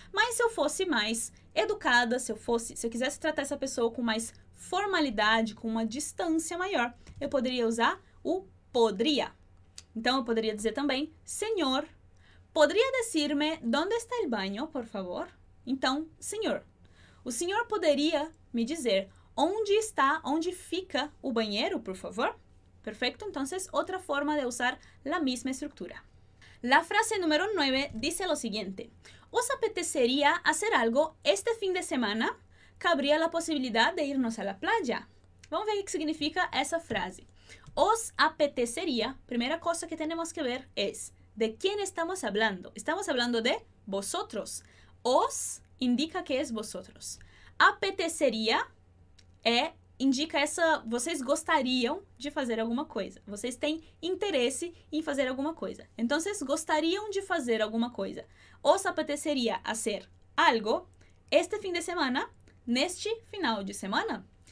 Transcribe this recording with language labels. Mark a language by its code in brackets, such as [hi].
[pt] Mas se eu fosse mais educada, se eu quisesse tratar essa pessoa com mais formalidade, com uma distância maior, eu poderia usar o podría. Então eu poderia dizer também, senhor, poderia [es] decirme dónde está el baño, por favor? [pt] Então, senhor. O senhor poderia me dizer onde está, onde fica o banheiro, por favor? [es] Perfecto, entonces otra forma de usar la misma estructura. La frase número 9 dice lo siguiente. ¿Os apetecería hacer algo este fin de semana? ¿Cabría la posibilidad de irnos a la playa? Vamos a ver qué significa esa frase. ¿Os apetecería? Primera cosa que tenemos que ver es ¿de quién estamos hablando? Estamos hablando de vosotros. ¿Os indica que es vosotros? ¿Apetecería? [pt] Indica essa, vocês gostariam de fazer alguma coisa. Vocês têm interesse em fazer alguma coisa. Então, vocês gostariam de fazer alguma coisa. [es] Os apeteceria hacer algo este [pt] fim de semana, neste final de semana?